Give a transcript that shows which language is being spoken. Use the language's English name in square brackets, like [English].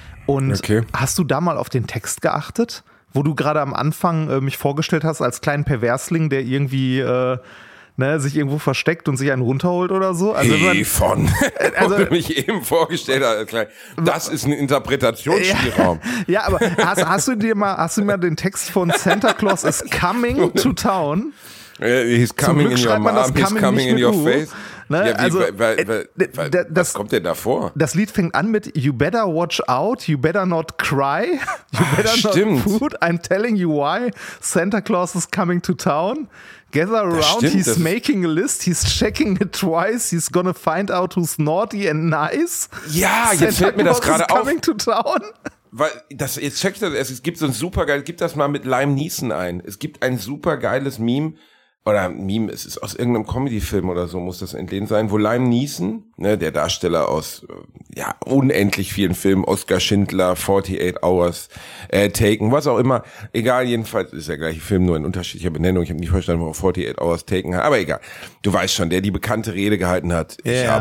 [German] Und hast du da mal auf den Text geachtet? Wo du gerade am Anfang mich vorgestellt hast als kleinen Perversling, der irgendwie sich irgendwo versteckt und sich einen runterholt oder so. Also Hefon, also, wo du mich eben vorgestellt hast. Das ist ein Interpretationsspielraum. Ja, aber hast du mir den Text von Santa Claus is coming to town? [English] He's coming in your mom, he's coming in your face. [German] Ne? Ja, also, was kommt denn da vor? Das Lied fängt an mit [English] You better watch out, you better not cry, you better not food, I'm telling you why, Santa Claus is coming to town. Gather around, he's making a list, he's checking it twice, he's gonna find out who's naughty and nice. [German] Ja, jetzt fällt mir das gerade auf. [English] Coming to town. [German] Weil das, jetzt check ich das, es gibt so ein super geiles, gib das mal mit Liam Neeson ein. Es gibt ein super geiles Meme, oder Meme, es ist aus irgendeinem Comedy-Film oder so, muss das entlehnt sein, wo Liam Neeson, ne, der Darsteller aus ja unendlich vielen Filmen, Oscar Schindler, 48 Hours, Taken, was auch immer, egal, jedenfalls ist der gleiche Film, nur in unterschiedlicher Benennung, ich habe nicht verstanden, warum 48 Hours Taken, aber egal, du weißt schon, der die bekannte Rede gehalten hat, yeah.